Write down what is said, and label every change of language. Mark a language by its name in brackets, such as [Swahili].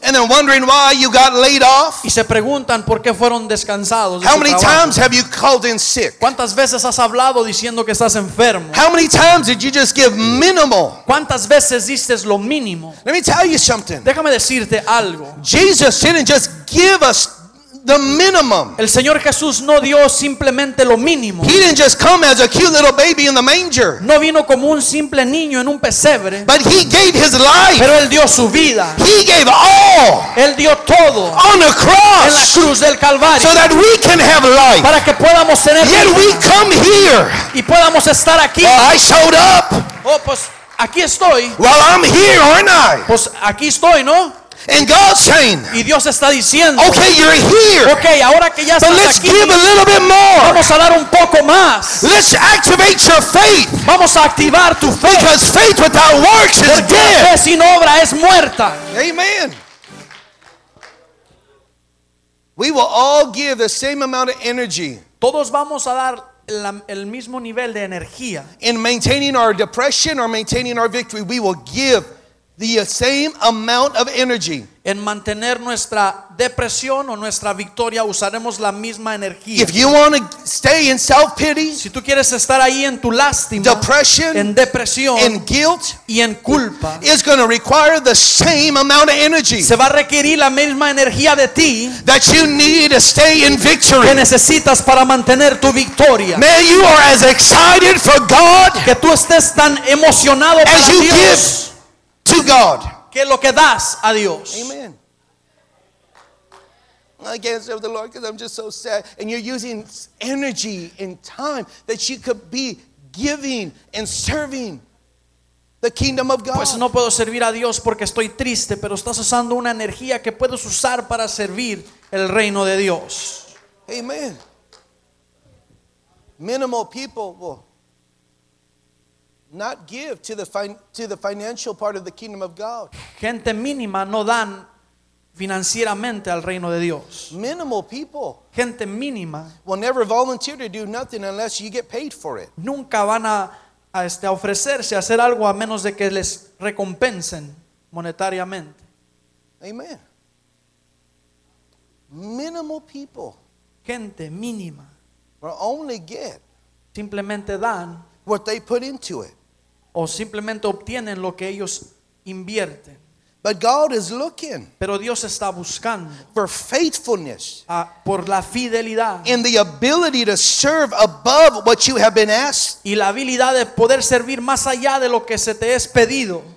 [English] And then wondering why you got laid off. [Spanish] Y se preguntan por qué fueron descansados. [English] How many times have you called in sick? [Spanish] ¿Cuántas veces has hablado diciendo que estás enfermo? [English] How many times did you just give minimal? [Spanish] ¿Cuántas veces diste lo mínimo? [English] Let me tell you something. [Spanish] Déjame decirte algo. [English] Jesus didn't just give us the minimum. [Spanish] El Señor Jesús no dio simplemente lo mínimo. [English] He didn't just come as a cute little baby in the manger. [Spanish] No vino como un simple niño en un pesebre. [English] But he gave his life. [Spanish] Pero él dio su vida. [English] He gave all. [Spanish] Él dio todo. [English] On the cross. [Spanish] En la cruz del Calvario. [English] So that we can have life. [Spanish] Para que podamos tener [English] vida. Yet we come here. [Spanish] Y podamos estar aquí. [English] Well, I showed up. [Spanish] Oh, pues aquí estoy. [English] Well, I'm here, aren't I? [Spanish] Pues aquí estoy, ¿no? [English] And God's saying, [Spanish] y Dios está diciendo, [English] okay, you're here. [Spanish] Okay, ahora que ya estás aquí, [English] but let's give a little bit more. [Spanish] Vamos a dar un poco más. [English] Let's activate your faith. [Spanish] Vamos a activar tu fe. [English] Because faith without works is dead. [Spanish] Fe sin obra es muerta. [English] Amen. We will all give the same amount of energy. [Spanish] Todos vamos a dar el mismo nivel de energía. [English] In maintaining our depression or maintaining our victory, we will give the same amount of energy. [Spanish] En mantener nuestra depresión o nuestra victoria usaremos la misma energía. [English] If you want to stay in self-pity, [Spanish] si tú quieres estar ahí en tu lástima, [English] depression, [Spanish] en depresión, [English] in guilt, [Spanish] y en culpa, [English] it's going to require the same amount of energy. [Spanish] Se va a requerir la misma energía de ti [English] that you need to stay in victory. [Spanish] Que necesitas para mantener tu victoria. [English] May you are as excited for God, [Spanish] que tú estés tan emocionado [English] as [Spanish] para [English] you [Spanish] Dios. [English] Give to God. [Spanish] Que lo que das a Dios. [English] Amen. I can't serve the Lord because I'm just so sad. And you're using energy and time that you could be giving and serving the kingdom of God. [Spanish] Pues no puedo servir a Dios porque estoy triste, pero estás usando una energía que puedes usar para servir el reino de Dios. [English] Amen. Minimal people will not give to the financial part of the kingdom of God. [Spanish] Gente mínima no dan financieramente al reino de Dios. [English] Minimal people. [Spanish] Gente mínima. [English] Will never volunteer to do nothing unless you get paid for it. [Spanish] Nunca van a ofrecerse a hacer algo a menos de que les recompensen monetariamente. [English] Amen. Minimal people. [Spanish] Gente mínima. [English] Will only get. [Spanish] Simplemente dan. [English] What they put into it. [Spanish] O simplemente obtienen lo que ellos invierten. [English] But God is looking. [Spanish] Pero Dios está buscando. [English] For faithfulness. [Spanish] Por la fidelidad. [English] And the ability to serve above what you have been asked. [Spanish] Y la habilidad de poder servir más allá de lo que se te es pedido.